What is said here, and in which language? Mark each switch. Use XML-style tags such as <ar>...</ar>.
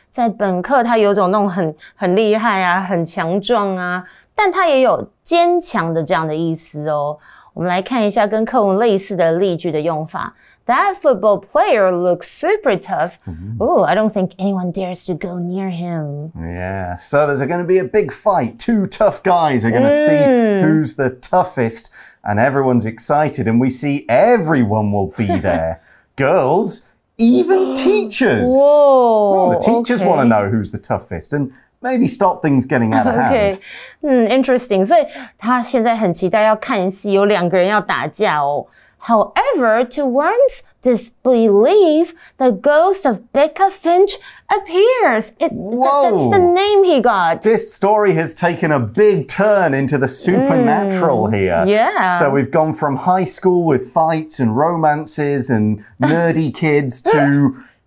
<zh>在本课它有种那种很厉害啊，很强壮啊，但它也有坚强的这样的意思哦。我们来看一下跟课文类似的例句的用法。</zh> <en>That football player looks super tough. Ooh, I don't think anyone dares to go near him. Yeah, so there's going to be a big fight. Two tough guys are going to see who's the toughest, and everyone's excited, and we see everyone will be there. Girls, even teachers. Whoa, the teachers want to know who's the toughest, and... Maybe stop things getting out of hand. Okay. Interesting.</en> <zh>所以他现在很期待要看戏，有两个人要打架哦。</zh> <en>However, to Worm's disbelief, the ghost of Becca Finch appears. That's the name he got. This story has taken a big turn into the supernatural here. Yeah. So we've gone from high school with fights and romances and nerdy kids to...</en>